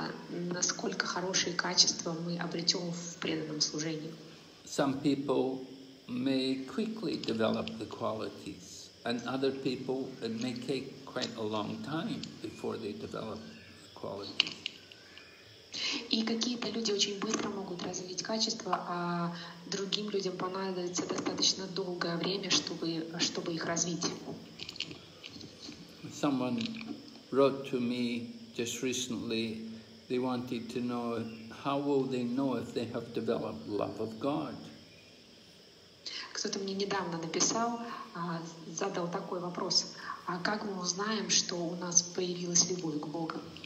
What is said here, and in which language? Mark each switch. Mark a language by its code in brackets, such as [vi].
[ru] насколько хорошие качества мы обретем в преданном служении. [en] Some people may quickly develop the qualities, and other people it may take quite a long time before they develop the qualities. [ru] И какие-то люди очень быстро могут развить качества, а другим людям понадобится достаточно долгое время, чтобы их развить. [en] Someone wrote to me just recently. They wanted to know how will they know if they have developed love of God. [ru] Кто-то мне недавно написал, задал такой вопрос: а как мы узнаем, что у нас появилась любовь к Богу?